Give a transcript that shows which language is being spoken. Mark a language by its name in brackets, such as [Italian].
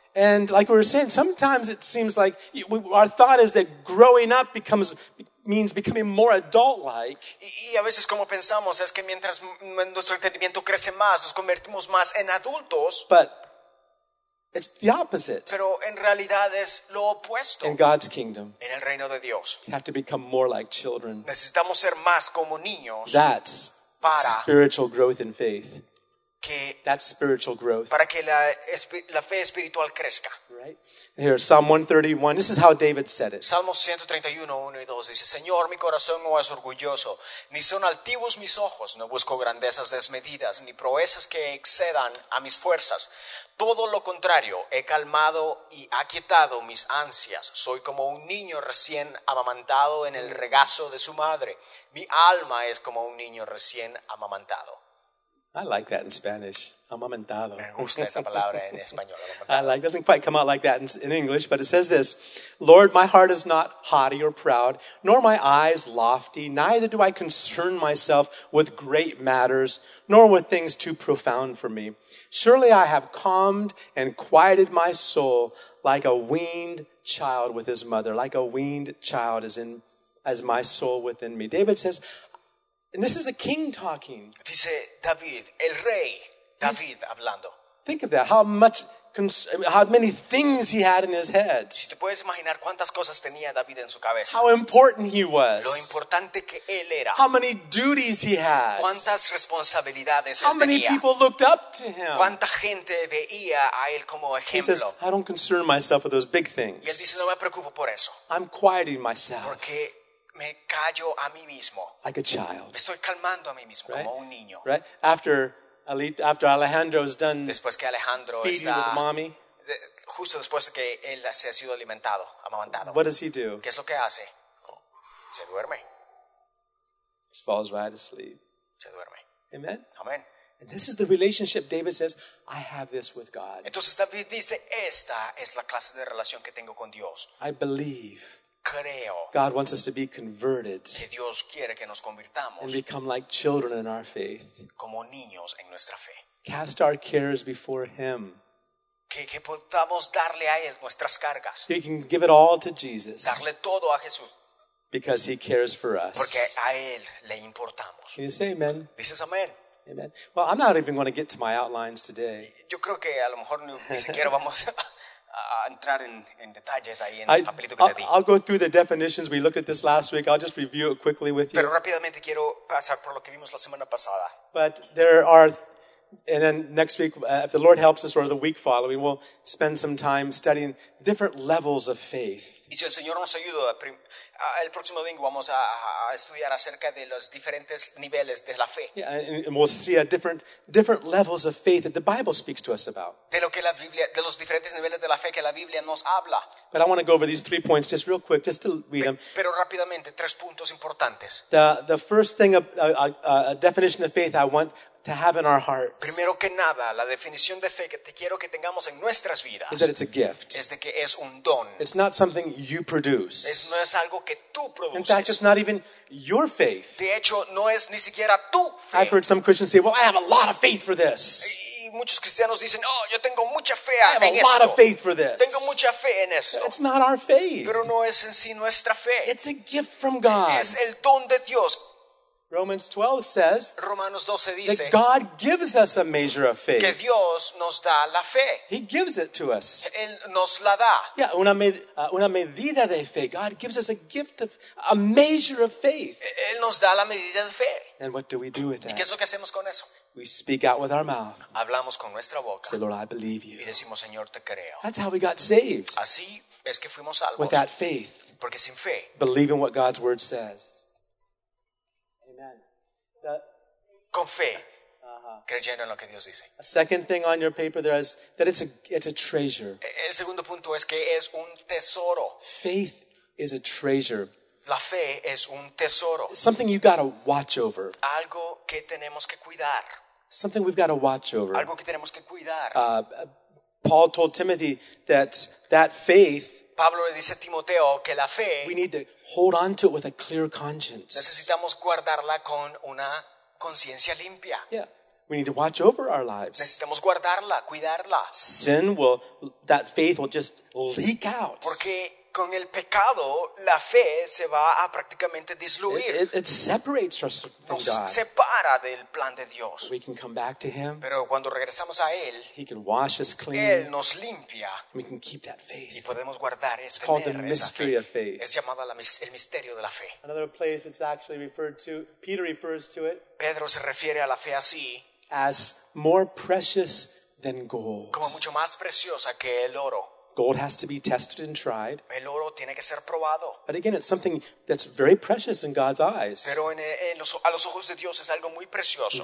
[English] And like we were saying, sometimes it seems like our thought is that growing up means becoming more adult-like. [Spanish] Y a veces como pensamos es que mientras nuestro entendimiento crece más, nos convertimos más en adultos. [English] But it's the opposite. [Spanish] Pero en realidad es lo opuesto. [English] In God's kingdom. [Spanish] En el reino de Dios. [English] You have to become more like children. [Spanish] Necesitamos ser más como niños. [English] That's spiritual growth in faith. That's spiritual growth. [Spanish] Para que la fe espiritual crezca. [English] Right? Here, Psalm 131. This is how David said it. [Spanish] Salmo 131, 1 y 2 dice, Señor, mi corazón no es orgulloso, ni son altivos mis ojos. No busco grandezas desmedidas, ni proezas que excedan a mis fuerzas. Todo lo contrario, he calmado y aquietado mis ansias. Soy como un niño recién amamantado en el regazo de su madre. Mi alma es como un niño recién amamantado. [English] I like that in Spanish. Amamantado. [Spanish] Me gusta esa palabra en español. [English] I like, doesn't quite come out like that in English, but it says this. Lord, my heart is not haughty or proud, nor my eyes lofty, neither do I concern myself with great matters, nor with things too profound for me. Surely I have calmed and quieted my soul like a weaned child with his mother, like a weaned child as my soul within me. David says, and this is a king talking. [Spanish] Dice David, el rey, David hablando. [English] Think of that, how many things he had in his head. [Spanish] Si te puedes imaginar cuántas cosas tenía David en su cabeza. [English] How important he was. [Spanish] Lo importante que él era. [English] How many duties he had. [Spanish] Cuántas responsabilidades [English] how [Spanish] él tenía. [English] How many people looked up to him. [Spanish] Cuánta gente veía a él como ejemplo. [English] He says, I don't concern myself with those big things. [Spanish] Y él dice, no me preocupo por eso. [English] I'm quieting myself. [Spanish] Porque me callo a mí mismo. [English] Like a child. [Spanish] Estoy calmando a mí mismo, right? Como un niño. [English] Right? After Alejandro is done. [Spanish] Después que Alejandro [English] feeding [Spanish] está [English] with mommy. [Spanish] Justo después que él se ha sido alimentado, amamantado. [English] What does he do? [Spanish] ¿Qué es lo que hace? Se duerme. [English] He falls right asleep. [Spanish] Se duerme. [English] Amen. Amen. And this is the relationship David says, I have this with God. [Spanish] Entonces David dice, esta es la clase de relación que tengo con Dios. [English] I believe. [Spanish] Creo [English] God wants us to be converted [Spanish] que Dios quiere que nos convirtamos [English] and become like children in our faith. [Spanish] Como niños en nuestra fe. [English] Cast our cares before him. [Spanish] Que podamos darle a él nuestras cargas. [English] He can give it all to Jesus. [Spanish] Darle todo a Jesús. [English] Because he cares for us. [Spanish] Porque a él le importamos. [English] Can you say amen? [Spanish] Dices amén. [English] Amen. Well, I'm not even going to get to my outlines today. [Spanish] Yo creo que a lo mejor ni siquiera vamos a entrar en detalles ahí en el papelito que te di. [English] I'll go through the definitions we looked at this last week. I'll just review it quickly with you. [Spanish] Pero rápidamente quiero pasar por lo que vimos la semana pasada. [English] But there are, and then next week, if the Lord helps us, or the week following, we'll spend some time studying different levels of faith. [Spanish] Y si el Señor nos ayuda, el próximo domingo vamos a estudiar acerca de los diferentes niveles de la fe. [English] Yeah, and we'll see a different levels of faith that the Bible speaks to us about. [Spanish] De lo que la Biblia, de los diferentes niveles de la fe que la Biblia nos habla. [English] But I want to go over these 3 points just real quick, just to read them. [Spanish] Pero rápidamente, 3 puntos importantes. [English] The first thing, a definition of faith I want to have in our hearts. [Spanish] Primero que nada, la definición de fe que te quiero que tengamos en nuestras vidas. [English] Is that it's a gift. [Spanish] Es de que es un don. [English] It's not something you produce. [Spanish] Es no es algo que tú produces. [English] In fact, it's not even your faith. [Spanish] De hecho, no es ni siquiera tu fe. [English] I've heard some Christians say, "Well, I have a lot of faith for this." [Spanish] Y muchos cristianos dicen, "Oh, yo tengo mucha fe en [English] esto." I have a lot of faith for this. [Spanish] Tengo mucha fe en esto. [English] It's not our faith. [Spanish] Pero no es en sí nuestra fe. [English] It's a gift from God. [Spanish] Es el don de Dios. [English] Romans 12 says, [Spanish] Romanos 12 dice, [English] that God gives us a measure of faith. [Spanish] Que Dios nos da la fe. [English] He gives it to us. [Spanish] Él nos la da. [English] Yeah, [Spanish] una medida de fe. [English] God gives us a gift of a measure of faith. [Spanish] Él nos da la medida de fe. [English] And what do we do with that? [Spanish] ¿Y qué es lo que hacemos con eso? [English] We speak out with our mouth. [Spanish] Hablamos con nuestra boca. [English] Say, Lord, I believe you. [Spanish] Y decimos, Señor, te creo. [English] That's how we got saved. [Spanish] Así es que fuimos salvos. [English] With that faith. [Spanish] Porque sin fe. [English] Believing what God's word says. [Spanish] Con fe, creyendo en lo que Dios dice. [English] A second thing on your paper there is that it's a treasure. [Spanish] El segundo punto es que es un tesoro. [English] Faith is a treasure. [Spanish] La fe es un tesoro. [English] Something you've got to watch over. [Spanish] Algo que tenemos que cuidar. [English] Something we've got to watch over. [Spanish] Algo que tenemos que cuidar. [English] Paul told Timothy that faith. [Spanish] Pablo le dice a Timoteo que la fe. [English] We need to hold on to it with a clear conscience. [Spanish] Necesitamos guardarla con una conciencia limpia. [English] Yeah. We need to watch over our lives. [Spanish] Necesitamos guardarla, cuidarla. [English] Sin will, that faith will just leak out. [Spanish] Porque con el pecado, la fe se va a prácticamente disluir. [English] It separates us from [Spanish] Nos [English] God. [Spanish] Separa del plan de Dios. [English] We can come back to Him. [Spanish] Pero cuando regresamos a Él, [English] He can wash us clean. [Spanish] Él nos limpia. [English] We can keep that faith. [Spanish] Y podemos guardar [English] it's called the mystery of faith. [Spanish] Es llamada el misterio de la fe. [English] Another place it's actually referred to, Peter refers to it. [Spanish] Pedro se refiere a la fe así. [English] As more precious than gold. [Spanish] Como mucho más preciosa que el oro. [English] Gold has to be tested and tried. [Spanish] El oro tiene que ser probado. [English] But again, it's something that's very precious in God's eyes. [Spanish] Pero a los ojos de Dios es algo muy precioso.